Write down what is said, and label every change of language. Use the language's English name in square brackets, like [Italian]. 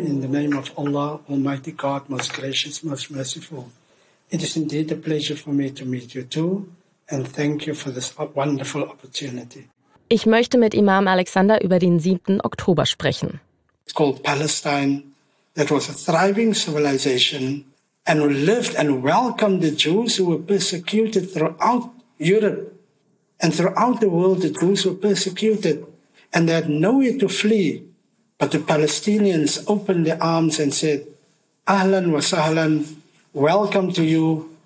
[English] In the name of Allah, Almighty God, most gracious, most merciful. It is indeed a pleasure for me to meet you too and thank you for this wonderful opportunity. [German] Ich möchte mit Imam Alexander über den 7. Oktober sprechen. [English] It's called Palestine. That was a thriving civilization and lived and welcomed the Jews who were persecuted throughout Europe and throughout the world. The Jews were persecuted and they had nowhere to flee. But the Palestinians opened their arms and said, [Arabic] Ahlan wa sahlan, [English] welcome to you.